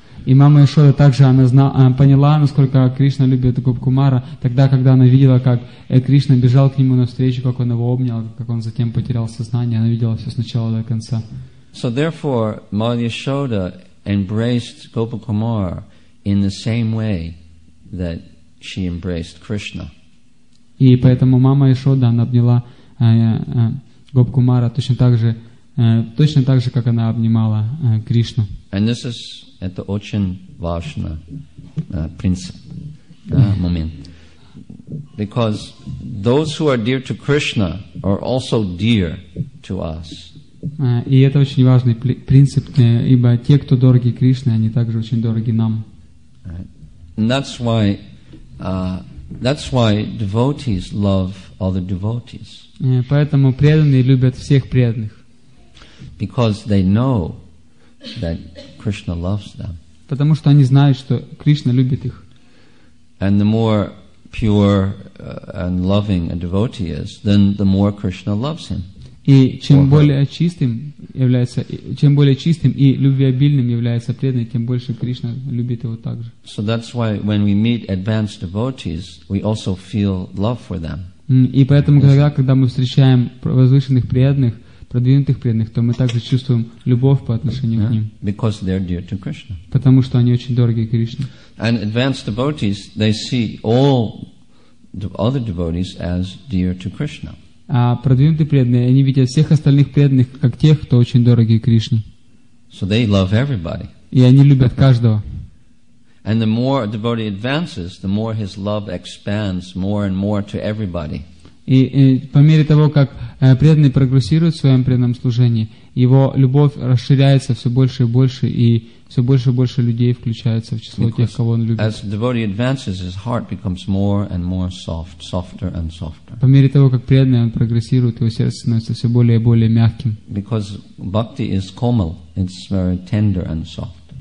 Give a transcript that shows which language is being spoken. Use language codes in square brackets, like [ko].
[ru] И мама Яшода также поняла, насколько Кришна любит Гопакумара, тогда, когда она видела, как Кришна бежал к нему навстречу, как он его обнял, как он затем потерял сознание, она видела все сначала до конца. [en] So therefore, Mother Yashoda embraced Gopakumara in the same way that she embraced Krishna. [ru] И поэтому мама Яшода, она обняла Гопакумара точно так же, как она обнимала Кришну. [en] And this is [ru] это очень важный принцип, момент. [en] Because those who are dear to Krishna are also dear to us. [ru] И это очень важный принцип, ибо те, кто дороги Кришне, они также очень дороги нам. [en] And that's why devotees love other devotees. [ru] Поэтому преданные любят всех преданных. [en] Because they know that Krishna loves them. [ru] Потому что они знают, что Кришна любит их. [en] And the more pure and loving a devotee is, then the more Krishna loves him. [ru] И чем более чистым является, чем более чистым и любвеобильным является преданный, тем больше Кришна любит его также. [en] So that's why when we meet advanced devotees, we also feel love for them. [ru] И поэтому когда мы встречаем возвышенных преданных, продвинутых преданных, то мы также чувствуем любовь по отношению к ним. [en] Because they are dear to Krishna. [ru] Потому что они очень дороги Кришне. [en] And advanced devotees, they see all the other devotees as dear to Krishna. [ru] А продвинутые преданные, они видят всех остальных преданных как тех, кто очень дороги Кришне. [en] So they love everybody. [ru] И они любят каждого. [en] And the more a devotee advances, the more his love expands more and more to everybody. [ru] И по мере того, как преданный прогрессирует в своем преданном служении, его любовь расширяется все больше и больше, и все больше и больше людей включаются в число [en] Because [ru] тех, кого он любит. [en] As devotee advances, his heart becomes more and more soft, softer and softer. [ru] По мере того, как преданный он прогрессирует, его сердце становится все более и более мягким. [en] Because bhakti is komal, it's very tender and soft.